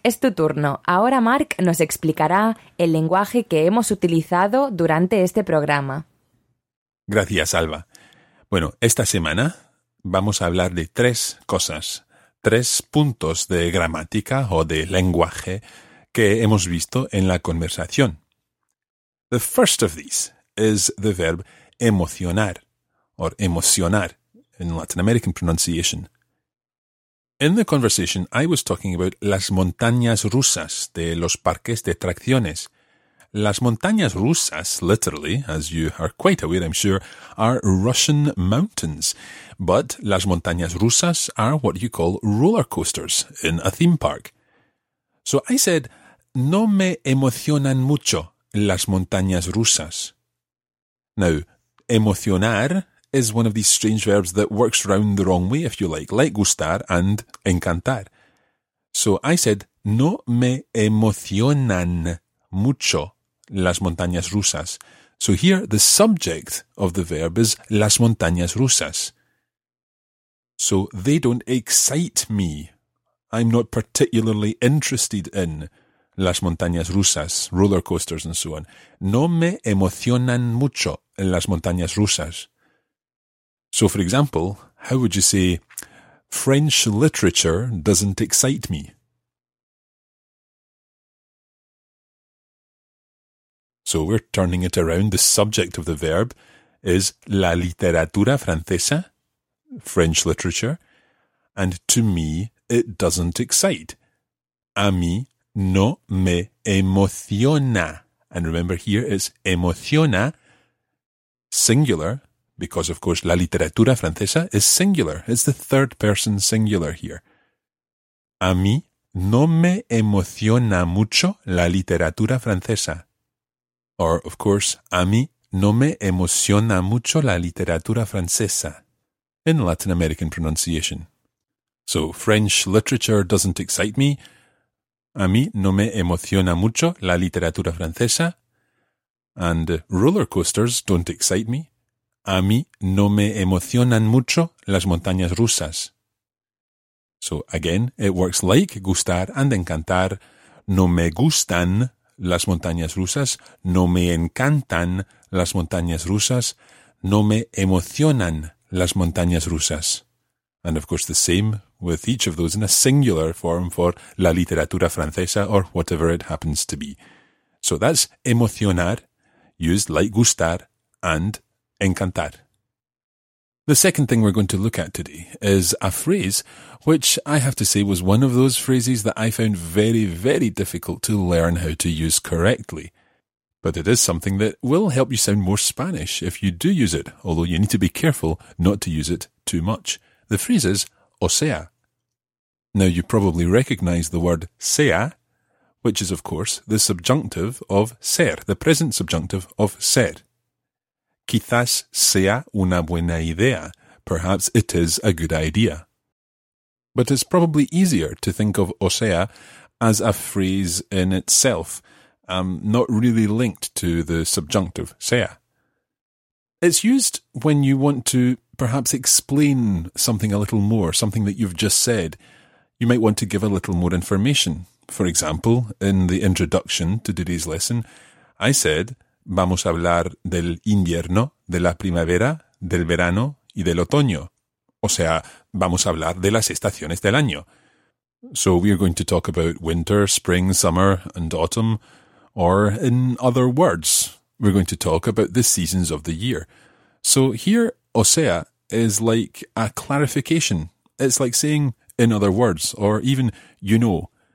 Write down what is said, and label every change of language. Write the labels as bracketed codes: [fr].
[es] Es tu turno. Ahora Mark nos explicará el lenguaje que hemos utilizado durante este programa. Gracias, Alba. Bueno, esta semana vamos a hablar de tres cosas, tres puntos de gramática o de lenguaje que hemos visto en la conversación. [en] The first of these is the verb emocionar, or emocionar in Latin American pronunciation. In the conversation, I was talking about [es] las montañas rusas de los parques de atracciones. Las montañas rusas, [en] literally, as you are quite aware, I'm sure, are Russian mountains. But las montañas rusas are what you call roller coasters in a theme park. So I said, [es] no me emocionan mucho las montañas rusas. [en] Now, emocionar is one of these strange verbs that works round the wrong way, if you like gustar and encantar. So I said, [es] no me emocionan mucho las montañas rusas. [en] So here, the subject of the verb is [es] las montañas rusas. [en] So they don't excite me. I'm not particularly interested in [es] las montañas rusas, [en] roller coasters and so on. [es] No me emocionan mucho las montañas rusas. [en] So, for example, how would you say, French literature doesn't excite me? So we're turning it around. The subject of the verb is [es] la literatura francesa, [en] French literature, and to me, it doesn't excite. [es] A mí no me emociona. [en] And remember here, it's emociona, singular, because, of course, [es] la literatura francesa [en] is singular. It's the third person singular here. [es] A mí no me emociona mucho la literatura francesa. [en] Or, of course, [es] a mí no me emociona mucho la literatura francesa, [en] in Latin American pronunciation. So, French literature doesn't excite me. [es] A mí no me emociona mucho la literatura francesa. [en] And roller coasters don't excite me. [es] A mí no me emocionan mucho las montañas rusas. [en] So, again, it works like gustar and encantar. [es] No me gustan las montañas rusas. No me encantan las montañas rusas. No me emocionan las montañas rusas. [en] And, of course, the same with each of those in a singular form for [es] la literatura francesa [en] or whatever it happens to be. So that's emocionar, used like gustar and encantar. The second thing we're going to look at today is a phrase which I have to say was one of those phrases that I found very, very difficult to learn how to use correctly. But it is something that will help you sound more Spanish if you do use it, although you need to be careful not to use it too much. The phrase is, o sea. Now you probably recognise the word sea, which is of course the subjunctive of ser, the present subjunctive of ser. [es] Quizás sea una buena idea. [en] Perhaps it is a good idea. But it's probably easier to think of o sea as a phrase in itself, not really linked to the subjunctive sea. It's used when you want to perhaps explain something a little more, something that you've just said. You might want to give a little more information. For example, in the introduction to today's lesson, I said, [es] vamos a hablar del invierno, de la primavera, del verano y del otoño. O sea, vamos a hablar de las estaciones del año. [en] So we are going to talk about winter, spring, summer and autumn. Or in other words, we're going to talk about the seasons of the year. So here, o sea, is like a clarification. It's like saying, in other words, or even, you know.